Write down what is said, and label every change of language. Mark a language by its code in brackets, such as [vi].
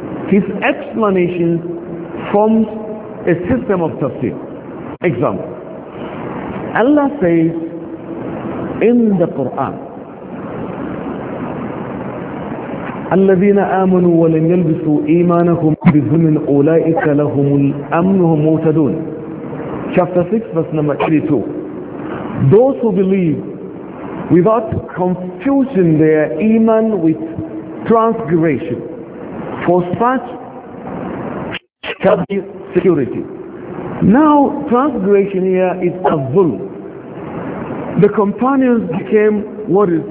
[en] His explanation forms a system of tafsir. Example. Allah says in the Quran, [ar] الذين آمنوا ولم يلبسوا إيمانهم بظلم أولئك لهم الأمن وهم مهتدون. [en] Chapter 6 verse number 82. Those who believe without confusion their iman with transgression, for such shall be security. Now transgression here is a zulm. The companions became worried.